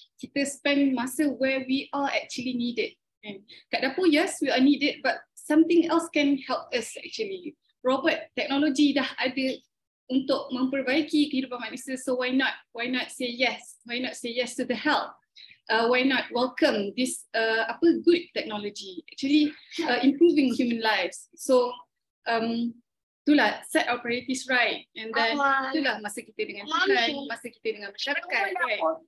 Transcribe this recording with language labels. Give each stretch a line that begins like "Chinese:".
Malay: Kita spend masa
English: where we are actually needed.
Malay: Kan? Kat dapur,
English: yes, we are needed, but something else can help us actually.
Malay: Robot, teknologi dah ada untuk memperbaiki kehidupan manusia.
English: So why not? Why not say yes? Why not say yes to the help? Why not welcome this good technology actually improving human lives?
Malay: So itulah,
English: set our priorities right, and then
Malay: itulah masa kita dengan Tuhan, masa kita dengan masyarakat,
English: right?